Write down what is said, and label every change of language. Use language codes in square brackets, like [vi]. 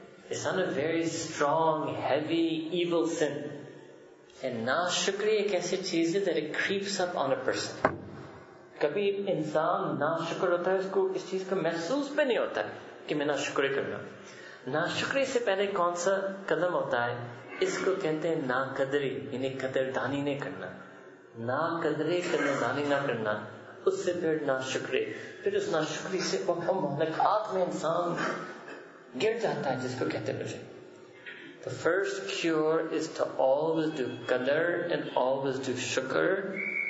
[en] It's not a very strong, heavy, evil sin. And [ur] ناشکر ایک ایسی چیز ہے [en] that it creeps up on a person. [ur] کبھی انسان ناشکر ہوتا ہے اس کو اس چیز کا محسوس بھی نہیں ہوتا ہے کہ میں ناشکری کر رہا ہوں. ناشکری سے پہلے کون سا قدم ہوتا ہے, اس کو کہتے ہیں ناقدری, یعنی قدردانی نہیں کرنا. ناقدری قدردانی نہ کرنا, اس سے پھر ناشکری, پھر اس ناشکری سے وہ ملاقات میں انسان گر جاتا ہے جس کو کہتے ہیں مجھے. [en] The first cure is to always do قدر and always do شکر.